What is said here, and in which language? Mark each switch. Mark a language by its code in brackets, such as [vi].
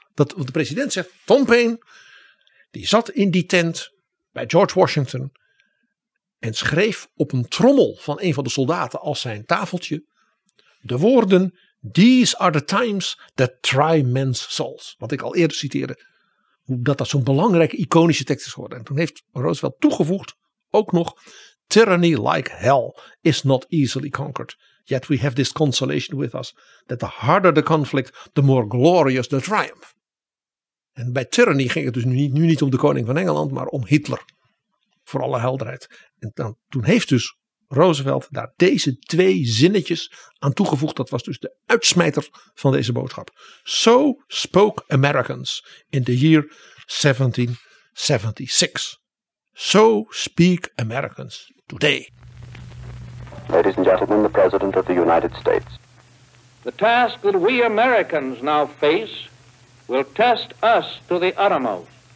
[nl] Want de president zegt, Tom Paine, die zat in die tent bij George Washington en schreef op een trommel van een van de soldaten als zijn tafeltje de woorden, [en] these are the times that try men's souls. [nl] Wat ik al eerder citeerde, hoe dat zo'n belangrijke iconische tekst is geworden. En toen heeft Roosevelt toegevoegd, ook nog, [en] tyranny like hell is not easily conquered. Yet we have this consolation with us, that the harder the conflict, the more glorious the triumph. [nl] En bij tyranny ging het dus nu niet om de koning van Engeland, maar om Hitler. Voor alle helderheid. En dan, toen heeft dus Roosevelt daar deze twee zinnetjes aan toegevoegd. Dat was dus de uitsmijter van deze boodschap. [en] So spoke Americans in the year 1776. So speak Americans today. Ladies and gentlemen, the President of the United States. The task that we Americans now face will test us to the uttermost.